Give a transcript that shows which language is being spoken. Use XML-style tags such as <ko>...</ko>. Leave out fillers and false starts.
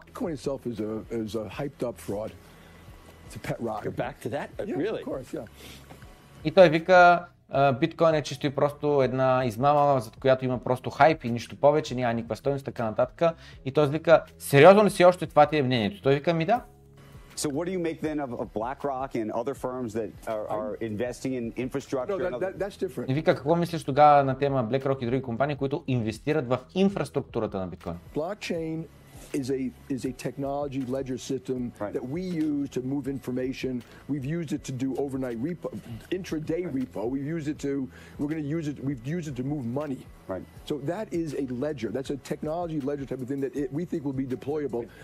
<en>Биткоин е хайпт ап фрод. Е пет рок. You're back to that? Really? Yeah, of course, yeah.</en> <bg>И той вика, биткоин е чисто и просто една измама, за която има просто хайп и нищо повече, няма никаква стойност, така нататък. И той вика, сериозно ли си още, това ти е мнението? Той вика, ми да.</bg> <en>So what do you make then of BlackRock and other firms that are investing in infrastructure? No, that's different.</en> <bg>И вика, какво мислиш тогава на тема BlackRock и други компании, които инвестират в инфраструктурата на биткоин?</bg> <en>Blockchain is a technology ledger system, right, that we use to move information. We've used it to do overnight repo, intraday repo. We've used it to move money. Right. So that is a ledger. That's a technology ledger type of thing that we think will be deployable.</en>